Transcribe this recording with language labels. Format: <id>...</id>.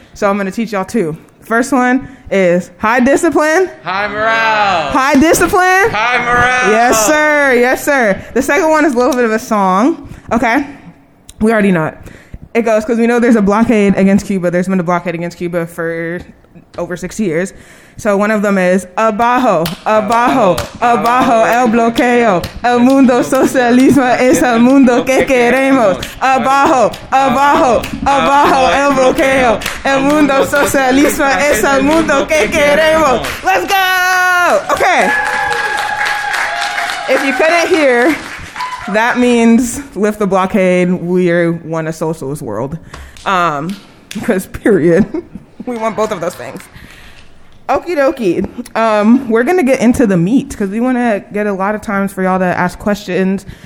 <en>So I'm going to teach y'all two. First one is high discipline. High morale. High discipline. High morale. Yes, sir. Yes, sir. The second one is a little bit of a song. Okay. We already know it. It goes, because we know there's a blockade against Cuba. There's been a blockade against Cuba for over 6 years. So one of them is</en> <es>abajo, abajo, abajo, el bloqueo, el mundo socialismo es el mundo que queremos. Abajo, abajo, abajo, el bloqueo, el mundo socialismo es el mundo que queremos.</es> <en>Let's go! Okay. If you couldn't hear, that means lift the blockade. We're one a socialist world. Because period. We want both of those things. Okie dokie. We're going to get into the meat because we want to get a lot of times for y'all to ask questions.</en>